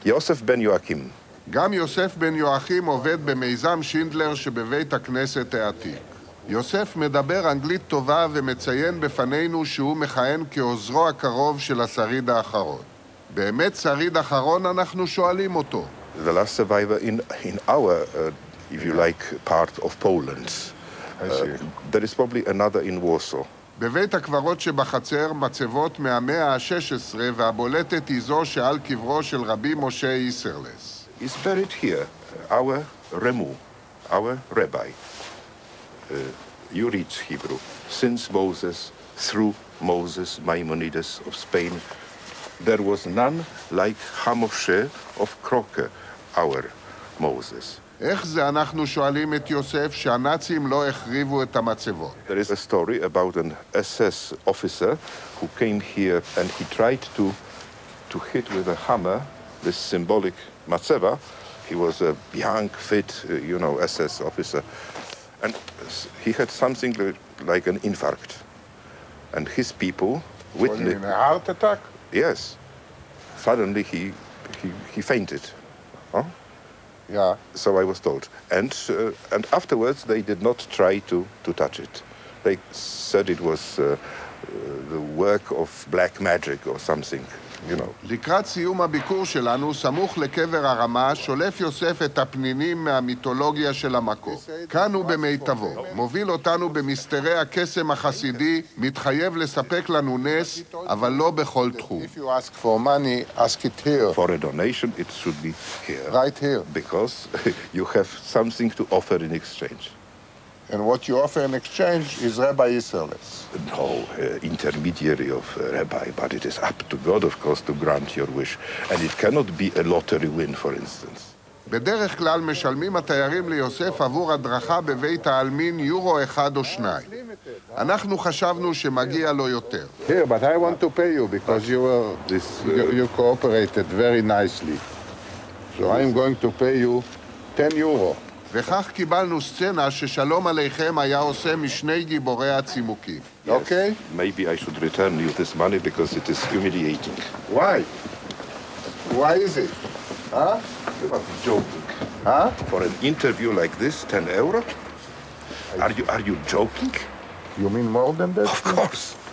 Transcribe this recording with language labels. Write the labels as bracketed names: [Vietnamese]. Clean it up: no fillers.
[Hebrew] יוסף בן יואקים. גם יוסף בן יואקים עובד במיזם שינדלר שבבית הכנסת העתיק. יוסף מדבר אנגלית טובה ומציין בפנינו שהוא מכהן כעוזרו הקרוב של השריד האחרון. באמת שריד אחרון, אנחנו שואלים אותו. [English] The last survivor in our if you like part of Poland. There is probably another in Warsaw. [Hebrew] בבית הקברות שבחצר מצבות מהמאה ה-16 והבולטת היא זו שעל קברו של רבי משה איסרלס. [English] He's buried here, our Remu, our rabbi. You read Hebrew. Since Moses, through Moses, Maimonides of Spain, there was none like Hamoshe of Kroke, our Moses. [Hebrew] איך זה אנחנו שואלים את יוסף שהנאצים לא החריבו את המצבות? [English] There is a story about an SS officer who came here and he tried to hit with a hammer this symbolic מצבה. He was a young, fit, you know, SS officer. And he had something like an infarct. And his people witnessed... Was he in a heart attack? Yes. Suddenly he fainted. Huh? Yeah. So I was told. And afterwards they did not try to touch it. They said it was the work of black magic or something, you know. [Hebrew] לקראת סיום הביקור שלנו, סמוך לקבר הרמה, שולף יוסף את הפנינים מהמיתולוגיה של המקור. כאן הוא במיטבו, מוביל אותנו במסתרי הקסם החסידי, מתחייב לספק לנו נס, אבל לא בכל תחום. [English] If you ask for money, ask it here. For a donation, it should be here. Right here. Because you have something to offer in exchange. And what you offer in exchange is Rabbi Isserles. No, intermediary of Rabbi, but it is up to God, of course, to grant your wish. And it cannot be a lottery win, for instance. [Hebrew] בדרך כלל משלמים התיירים ליוסף עבור הדרכה בבית העלמין יורו אחד או שניים. אנחנו חשבנו שמגיע לו יותר. [English] Here, but I want to pay you because you were this, you cooperated very nicely. So I'm going to pay you 10 euro. [Hebrew] וכך קיבלנו סצנה ששלום עליכם היה עושה משני גיבורי הצימוקים. אוקיי? [English] Maybe I should return you this money because it is humiliating. Why? Why is it? Huh? You are joking. Huh? For an interview like this, 10 euro? Are you joking? You mean more than that? Of course.